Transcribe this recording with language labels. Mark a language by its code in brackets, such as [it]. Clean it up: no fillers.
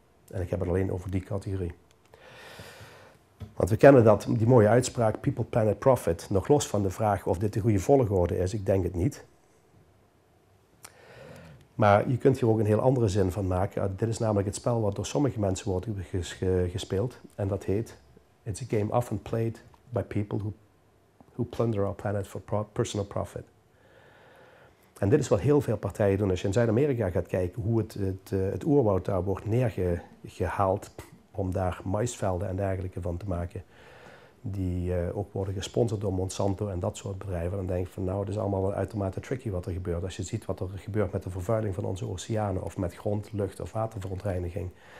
[nl] En ik heb het alleen over die categorie. Want we kennen dat, die mooie uitspraak, [en] people, planet, profit, [nl] nog los van de vraag of dit de goede volgorde is, ik denk het niet. Maar je kunt hier ook een heel andere zin van maken. Dit is namelijk het spel wat door sommige mensen wordt gespeeld. En dat heet, [en] it's a game often played by people who plunder our planet for personal profit. [nl] En dit is wat heel veel partijen doen. Als je in Zuid-Amerika gaat kijken hoe het oerwoud daar wordt neergehaald om daar maïsvelden en dergelijke van te maken. Die ook worden gesponsord door Monsanto en dat soort bedrijven. Dan denk ik van nou, het is allemaal wel uitermate tricky wat er gebeurt. Als je ziet wat er gebeurt met de vervuiling van onze oceanen of met grond, lucht of waterverontreiniging.